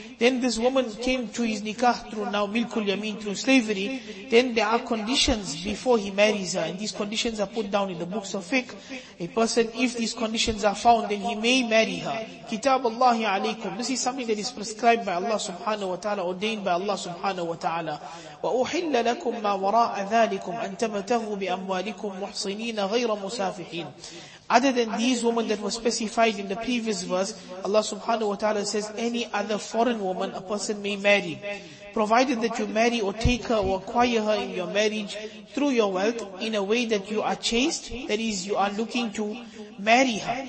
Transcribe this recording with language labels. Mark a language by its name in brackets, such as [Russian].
[English] Then this woman came to his nikah through now milkul yameen, through slavery. Then there are conditions before he marries her, and these conditions are put down in the books of fiqh. A person, if these conditions are found, then he may marry her. [Arabic] Kitab Allahi alaykum. [English] This is something that is prescribed by Allah subhanahu wa ta'ala, ordained by Allah subhanahu wa ta'ala. [Arabic] وأحل لكم ما وراء ذلكم أن تبتغوا بأموالكم محصنين غير مسافحين. [English] Other than these women that were specified in the previous verse, Allah subhanahu wa ta'ala says, any other foreign woman a person may marry, provided that you marry or take her or acquire her in your marriage through your wealth in a way that you are chaste, that is, you are looking to marry her.